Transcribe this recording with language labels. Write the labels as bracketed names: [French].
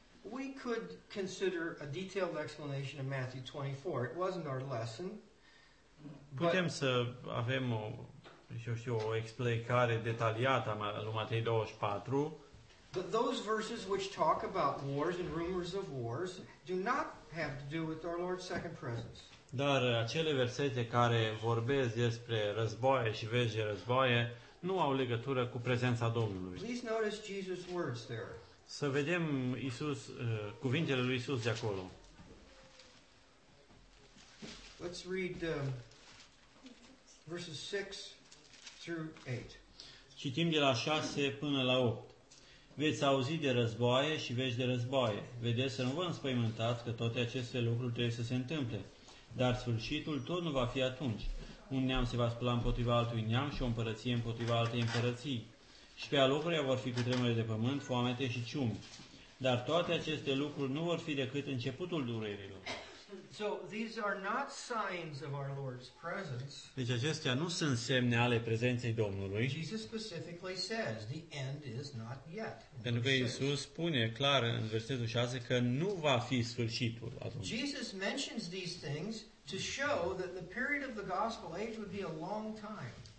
[English] We could consider a detailed explanation of Matthew 24. It wasn't our lesson. [Romanian] Putem să avem o explicare detaliată a lui Matei 24. [English] But those verses which talk about wars and rumors of wars do not have to do with our Lord's second presence. [Romanian] Dar acele versete care vorbesc despre războaie și vești de războaie nu au legătură cu prezența Domnului. [English] Please notice Jesus' words there. [Romanian] Să vedem Iisus, cuvintele lui Iisus de acolo. [English] Let's read verses 6-8. [Romanian] Citim de la 6 până la 8. Veți auzi de războaie și vești de războaie. Vedeți să nu vă înspăimântați că toate aceste lucruri trebuie să se întâmple. Dar sfârșitul tot nu va fi atunci. Un neam se va spăla împotriva altui neam și o împărăție împotriva altei împărății. Și pe alocurile vor fi cutremure de pământ, foamete și ciumi. Dar toate aceste lucruri nu vor fi decât începutul durerilor. [English] So these are not signs of our Lord's presence. [Romanian] Deci acestea nu sunt semne ale prezenței Domnului. [English] Jesus specifically says the end is not yet. [Romanian] Pentru că Iisus spune clar în versetul 6 că nu va fi sfârșitul atunci. [English] Jesus mentions these things to show that the period of the gospel age would be a long time.